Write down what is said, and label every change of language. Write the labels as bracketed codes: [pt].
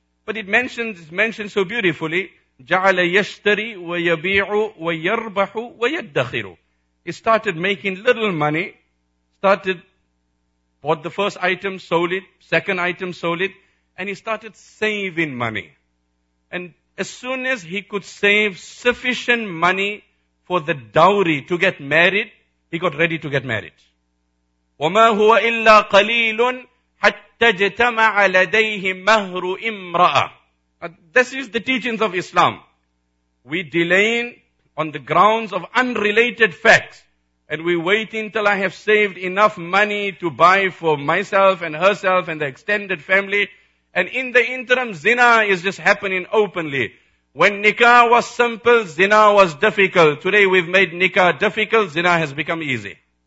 [en] But it mentions so beautifully, [ar] جَعَلَ يَشْتَرِي وَيَبِيعُ وَيَرْبَحُ وَيَدَّخِرُ [en] He started making little money, bought the first item, sold it, second item, sold it, and he started saving money. And as soon as he could save sufficient money for the dowry to get married, he got ready to get married. [ar] وَمَا هُوَ إِلَّا قَلِيلٌ حَتَّى جَتَمَعَ لَدَيْهِ مَهْرُ إِمْرَأَ [en] This is the teachings of Islam. We delay on the grounds of unrelated facts. And we wait until I have saved enough money to buy for myself and herself and the extended family. And in the interim, zina is just happening openly. When nikah was simple, zina was difficult. Today we've made nikah difficult, zina has become easy.